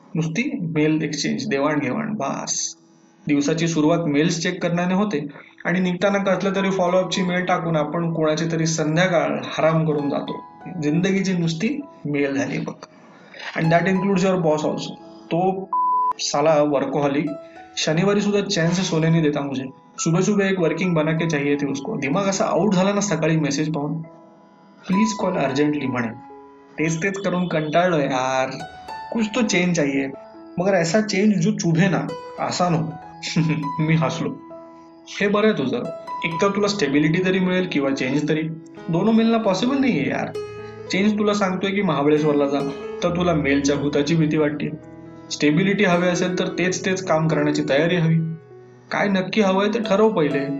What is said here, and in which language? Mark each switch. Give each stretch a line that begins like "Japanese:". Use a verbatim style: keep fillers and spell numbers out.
Marathi: नुसती mail exchange, देवाणघेवाण, बास. दिवसाची सुरुवात मेल्स चेक करण्याने होते, आणि निघताना कसलं तरी फॉलोअपची मेल टाकून आपण कोणाची तरी संध्याकाळ हराम करून जातो. जिंदगीची नुसती मेल झाली बघ.
English: And that includes your boss also.
Marathi: तो साला वर्कोहॉलिक.
Hindi: शनिवारी सुद्धा चैन से सोने नहीं देता मुझे. सुबह सुबह एक वर्किंग बना के चाहिए थी उसको.
Marathi: दिमाग असा आउट झाला ना सकाळी मेसेज पाहून. प्लीज कॉल अर्जंटली म्हणे. तेच तेच करून कंटाळलो यार.
Hindi: कुछ तो चेंज चाहिए, मगर ऐसा चेंज जो चुभे ना, आसान हो.
Marathi: मी हसलो. हे बरं आहे तुझं, एक तर तुला स्टेबिलिटी तरी मिळेल किंवा चेंज तरी. दोनों मिळणं पॉसिबल नाही आहे यार. चेंज तुला सांगतोय की महाबळेश्वरला जा, तर तुला मेलच्या भूताची भीती वाटते. स्टेबिलिटी हवी असेल तर तेच तेच काम करण्याची तयारी हवी. काय नक्की हवंय ते ठरव पहिले.